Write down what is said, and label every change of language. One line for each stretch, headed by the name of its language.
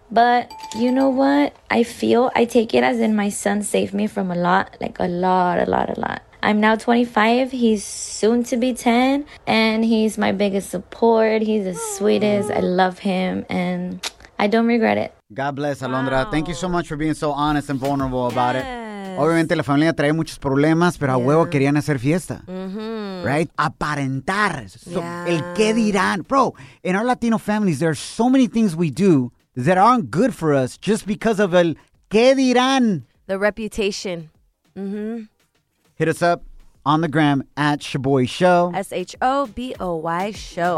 English: But you know what? I take it as in my son saved me from a lot, like a lot. I'm now 25, he's soon to be 10, and he's my biggest support, he's the sweetest, I love him, and I don't regret it. God bless, Alondra. Wow. Thank you so much for being so honest and vulnerable about it.
Spanish: Obviamente, la familia trae muchos problemas, pero a huevo querían hacer fiesta. Mm-hmm.
English: Right?
Spanish: Aparentar.
English: So,
Spanish: el qué dirán.
English: Bro, in our Latino families, there are so many things we do that aren't good for us just because of
Spanish: el qué dirán.
English: The reputation. Hit us up on the gram at Shaboy Show. S-H-O-B-O-Y Show.